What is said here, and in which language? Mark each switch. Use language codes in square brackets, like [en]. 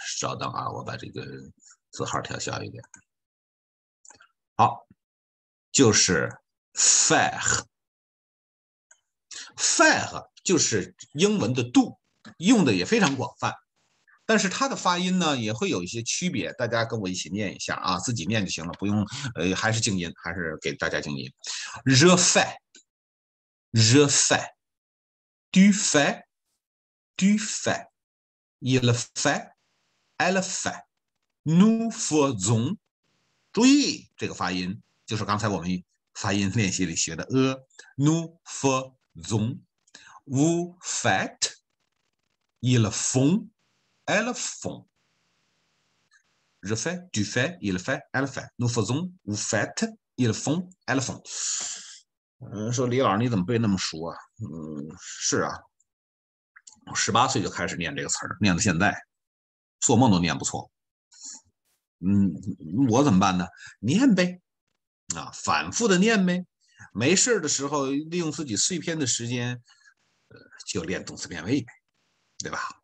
[zh] 稍等啊，我把这个字号调小一点。好，就是 faire 就是英文的 do， 用的也非常广泛，但是它的发音呢也会有一些区别，大家跟我一起念一下啊，自己念就行了，不用还是静音，还是给大家静音。 [fr] je fais。 Je fais, tu fais, tu fais, il fait, elle fait, nous faisons。注意这个发音，就是刚才我们发音练习里学的 nous faisons， vous faites, ils font, elles font. Je fais, tu fais, il fait, elle fait. Nous faisons, vous faites, ils font, elles font. [zh] 说李老师你怎么背那么熟啊？是啊，十八岁就开始念这个词儿，念到现在，做梦都念不错。我怎么办呢？念呗，啊，反复的念呗。没事的时候，利用自己碎片的时间，就练动词变位呗，对吧？